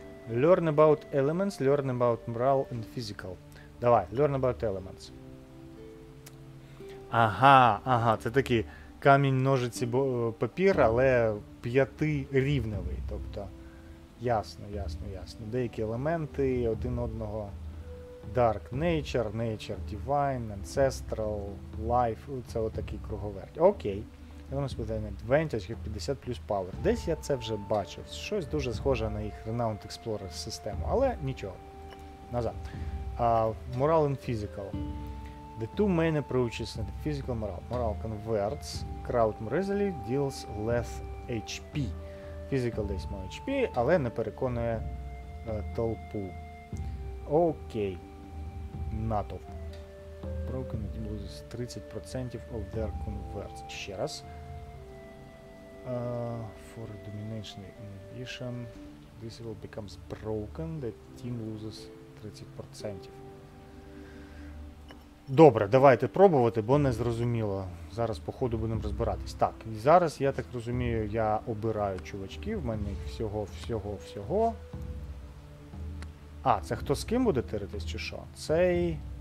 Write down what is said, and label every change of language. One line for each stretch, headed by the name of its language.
English: Learn about elements, learn about moral and physical. Давай, learn about elements.
Ukrainian: Ага, ага, це такий камінь, ножиці, папір, але п'ятирівневий. Тобто, ясно, ясно, ясно. Деякі елементи один одного.
English: Dark nature, nature divine, ancestral, life.
Ukrainian: Це отакий круговерть.
English: Окей. Elements with an advantage, have 50 plus power.
Ukrainian: Десь я це вже бачив. Щось дуже схоже на їх Renowned Explorer систему. Але нічого. Назад.
English: Moral and physical. The two main approaches are the physical moral. Moral converts crowd more easily, deals less HP. Physical deals more HP,
Ukrainian: але не переконує толпу. Окей. Натовп.
English: Broken it loses 30% of their converts.
Ukrainian: Ще раз.
English: For domination inhibition, this will becomes broken, the team loses 30%.
Ukrainian: Добре, давайте пробувати, бо не зрозуміло. Зараз по ходу будемо розбиратись. Так, і зараз, я так розумію, я обираю чувачків, в мене всього-всього-всього. А, це хто з ким буде тиритись, чи що? Цей...